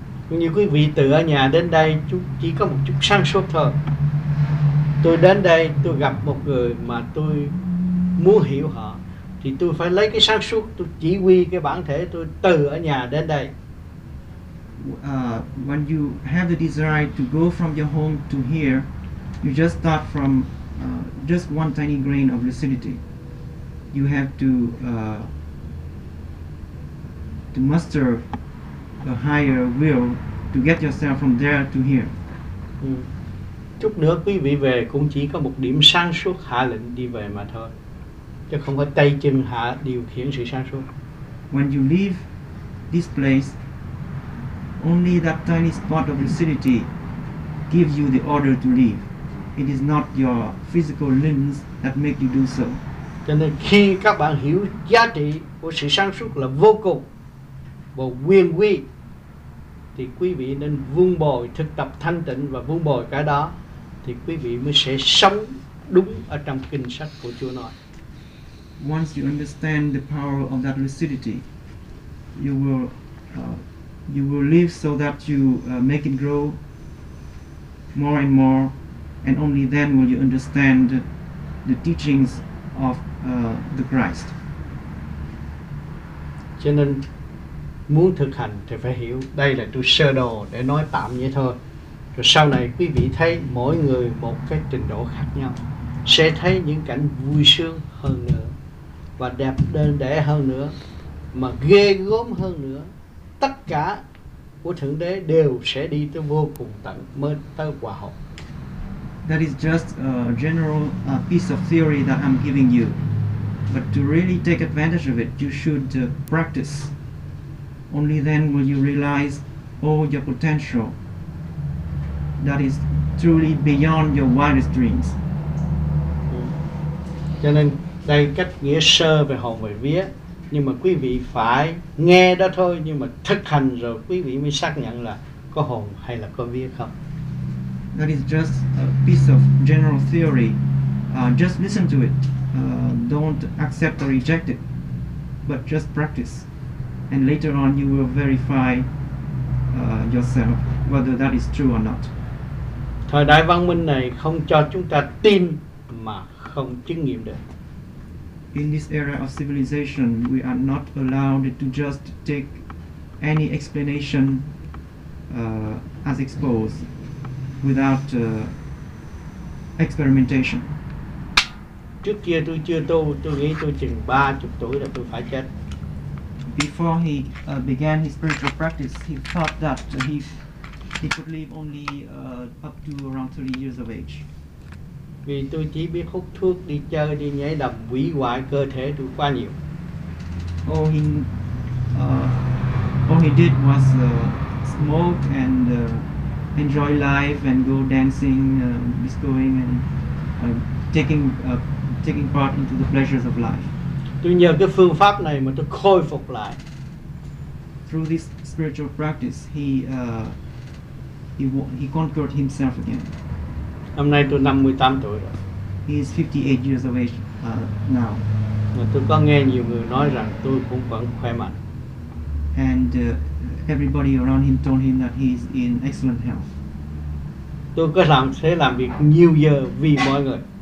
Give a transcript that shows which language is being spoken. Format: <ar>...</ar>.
<vi>Như quý vị từ ở nhà đến đây chỉ có một chút sáng suốt thôi. Tôi đến đây tôi gặp một người mà tôi muốn hiểu họ, thì tôi phải lấy cái sáng suốt, tôi chỉ huy cái bản thể tôi từ ở nhà đến đây.</vi> <en>When you have the desire to go from your home to here, you just start from just one tiny grain of lucidity. You have to muster a higher will to get yourself from there to here.</en> <vi>Chút nữa quý vị về cũng chỉ có một điểm sáng suốt hạ lệnh đi về mà thôi, chứ không có tay chân hạ điều khiển sự sáng suốt.</vi> <en>When you leave this place, only that tiny spot of lucidity gives you the order to leave. It is not your physical limbs that make you do so.</en> <vi>Cho nên khi các bạn hiểu giá trị của sự sáng suốt là vô cùng và nguyên quy, thì quý vị nên vun bồi thực tập thanh tịnh và vun bồi cái đó, thì quý vị mới sẽ sống đúng ở trong kinh sách của Chúa nói.</vi> <en>Once you understand the power of that lucidity, you will live so that you make it grow more and more, and only then will you understand the teachings of the Christ.</en> <vi>Cho nên muốn thực hành thì phải hiểu đây là tôi sơ đồ để nói tạm vậy thôi, rồi sau này quý vị thấy mỗi người một cái trình độ khác nhau sẽ thấy những cảnh vui sướng hơn nữa và đẹp đẽ hơn nữa mà ghê gớm hơn nữa. Tất cả của Thượng Đế đều sẽ đi tới vô cùng tận mới tới hòa hợp.</vi> <en>That is just a general piece of theory that I'm giving you, but to really take advantage of it you should practice. Only then will you realize all your potential that is truly beyond your wildest dreams.</en> <vi>Cho nên đây cách nghĩa sơ về hồn về vía, nhưng mà quý vị phải nghe đó thôi, nhưng mà thực hành rồi quý vị mới xác nhận là có hồn hay là có vía không.</vi> <en>That is just a piece of general theory. Just listen to it. Don't accept or reject it, but just practice. And later on you will verify yourself whether that is true or not.</en> <vi>Thời đại văn minh này không cho chúng ta tin mà không chứng nghiệm được.</vi> <en>In this era of civilization, we are not allowed to just take any explanation as exposed without experimentation.</en> <vi>Trước kia tôi chưa tu, tôi nghĩ tôi chừng 30 tuổi là tôi phải chết.</vi> <en>Before he began his spiritual practice, he thought that he could live only up to around 30 years of age.</en> <vi>Vì tôi chỉ biết hút thuốc, đi chơi, đi nhảy đầm, hủy hoại cơ thể tôi quá nhiều.</vi> <en>All he did was smoke and enjoy life and go dancing, discoing and taking part into the pleasures of life.</en> <vi>Tôi nhờ cái phương pháp này mà tôi khôi phục lại.</vi> <en>Through this spiritual practice, he conquered himself again.</en> <vi>Hôm nay tôi 58 tuổi rồi.</vi> <en>He is 58 years of age now.</en> <vi>Mà tôi có nghe nhiều người nói rằng tôi cũng vẫn khỏe mạnh.</vi> <en>And everybody around him told him that he is in excellent health.</en> <vi>Tôi có làm thế làm việc nhiều giờ vì mọi người.</vi>